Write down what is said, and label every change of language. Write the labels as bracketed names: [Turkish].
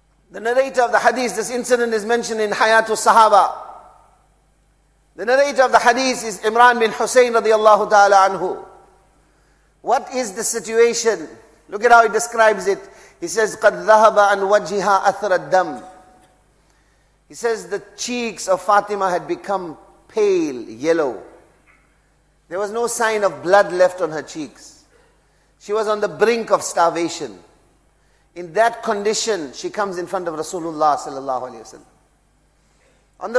[English] The narrator of the hadith, this incident is mentioned in Hayatul Sahaba. The narrator of the hadith is Imran bin Hussein radiallahu ta'ala anhu. What is the situation? Look at how he describes it. He says, [Arabic] قَدْ ذَهَبَ عَنْ وَجْهِهَا أَثْرَ الدَّمْ. [English] He says, the cheeks of Fatima had become pale, yellow. There was no sign of blood left on her cheeks. She was on the brink of starvation. In that condition, she comes in front of Rasulullah sallallahu alayhi wa sallam.